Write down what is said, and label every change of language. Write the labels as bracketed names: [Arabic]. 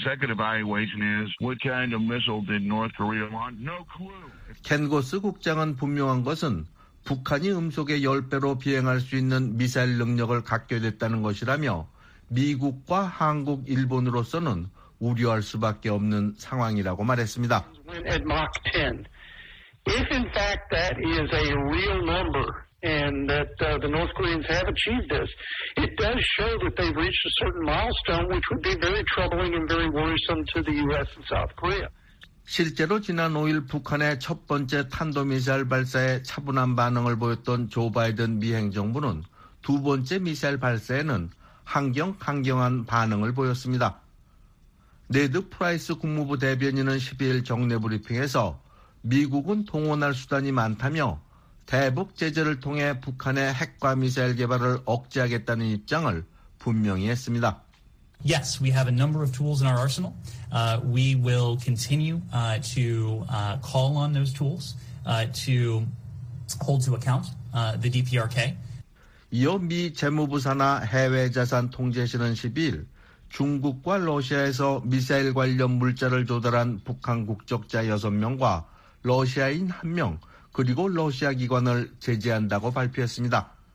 [English] The second evaluation is what kind of missile did North Korea launch? No clue. [Korean] 켄고스 국장은 분명한 것은 북한이 음속의 10배로 비행할 수 있는 미사일 능력을 갖게 됐다는 것이라며 미국과 한국, 일본으로서는 우려할 수밖에 없는 상황이라고 말했습니다. [English] At Mach 10. If in fact that is a real number and that the North Koreans have achieved this, it does show that they've reached a certain milestone which would be very troubling and very worrisome to the US and South Korea. [Korean] 실제로 지난 5일 북한의 첫 번째 탄도미사일 발사에 차분한 반응을 보였던 조 바이든 미 행정부는 두 번째 미사일 발사에는 강경한 반응을 보였습니다. 네드 프라이스 국무부 대변인은 12일 정례 브리핑에서 미국은 동원할 수단이 많다며 대북 제재를 통해 북한의 핵과 미사일 개발을 억제하겠다는 입장을 분명히 했습니다. [English] Yes, we have a number of tools in our arsenal. We will continue to call on those tools to hold to account the DPRK. [Korean] 이어 미 재무부 산하 해외자산 통제실은 12일 중국과 러시아에서 미사일 관련 물자를 조달한 북한 국적자 6명과 러시아인 1명 그리고 러시아 기관을 제재한다고 발표했습니다.